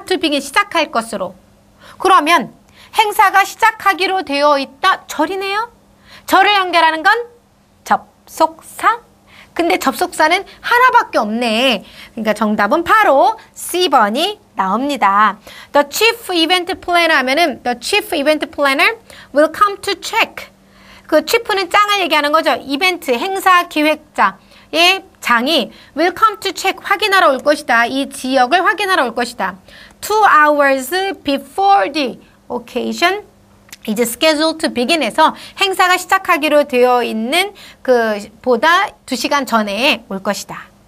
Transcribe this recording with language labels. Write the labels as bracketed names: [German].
[Korean] to begin 시작할 것으로. 그러면 행사가 시작하기로 되어 있다. 절이네요. 절을 연결하는 건 접속사. 근데 접속사는 하나밖에 없네. 그러니까 정답은 바로 C번이 나옵니다. [English] The chief event planner [Korean] 하면은 [English] the chief event planner will come to check. [Korean] 그 chief는 짱을 얘기하는 거죠. 이벤트 행사 기획자의 장이 [English] will come to check [Korean] 확인하러 올 것이다. 이 지역을 확인하러 올 것이다. [English] 2 hours before the occasion is scheduled to begin [Korean] 해서 행사가 시작하기로 되어 있는 그 보다 2시간 전에 올 것이다.